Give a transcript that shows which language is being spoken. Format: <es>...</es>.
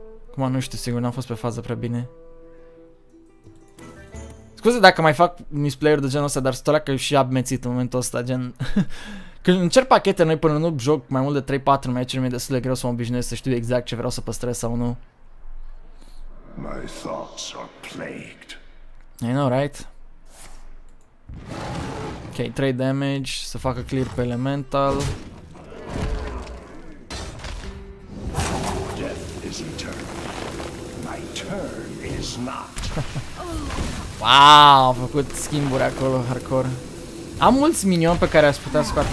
<ro>Acum nu știu sigur, n-am fost pe fază prea bine. Scuze dacă mai fac misplayer de genul ăsta, dar stolea că și-a abmețit în momentul ăsta, gen... Când încerc pachete noi până nu joc mai mult de 3-4 meciuri, mi-e destul de greu să mă obișnuiesc să știu exact ce vreau să păstrez sau nu.</ro> <en>My thoughts are plagued. I know, right?</en> <ro>Ok, 3 damage, să facă clear pe elemental.</ro> <en>Death is eternal. My turn is not.</en> <ro>Wow, a făcut schimburi acolo, hardcore. Am mulți minioni pe care aș putea scoate.</ro>